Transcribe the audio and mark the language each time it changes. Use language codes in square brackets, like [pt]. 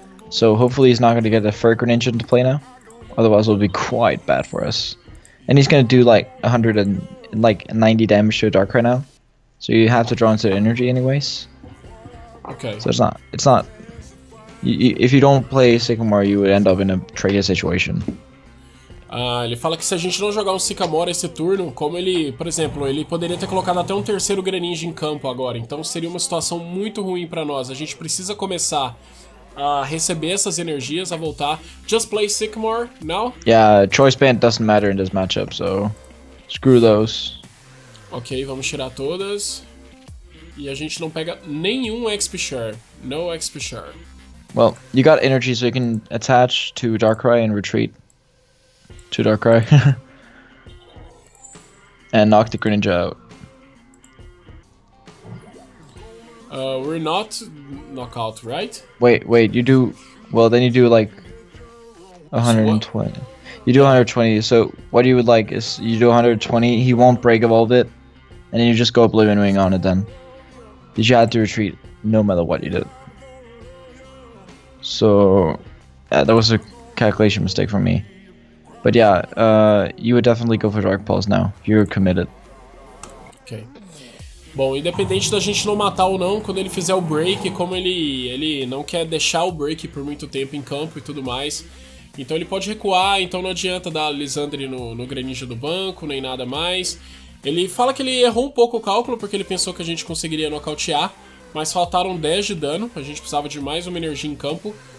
[en] So hopefully he's not going to get a third Greninja to play now. Otherwise, it'll be quite bad for us. And he's going to do like 90 damage to a Darkrai now. So you have to draw into the energy anyways. Okay. So it's not... if you don't play Sycamore, you would end up in a traitor situation. [pt] Ele fala que se a gente não jogar um Sycamore esse turno, como ele, por exemplo, ele poderia ter colocado até um terceiro Greninja em campo agora, então seria uma situação muito ruim pra nós. A gente precisa começar a receber essas energias, a voltar. [en] Just play Sycamore now? Yeah, Choice Band doesn't matter in this matchup, so screw those. [pt] Ok, vamos tirar todas. E a gente não pega nenhum XP Share. [en] No XP Share. Well, you got energy so you can attach to Darkrai and retreat. To Darkrai. And knock the Greninja out. We're not knockout, right? Wait, you do... Well, then you do like... 120. So you do 120, so what you would like is... You do 120, he won't break evolve it. And then you just go Oblivion Wing on it then. Because you had to retreat no matter what you did. So... Yeah, that was a calculation mistake for me. But yeah, you would definitely go for Dark Pulse now. You're committed. Okay. [pt] Bom, independente da gente não matar ou não, quando ele fizer o break, como ele não quer deixar o break por muito tempo em campo e tudo mais, então ele pode recuar, então não adianta dar Lissandre no Greninja do banco, nem nada mais. Ele fala que ele errou um pouco o cálculo, porque ele pensou que a gente conseguiria nocautear, mas faltaram 10 de dano, a gente precisava de mais uma energia em campo.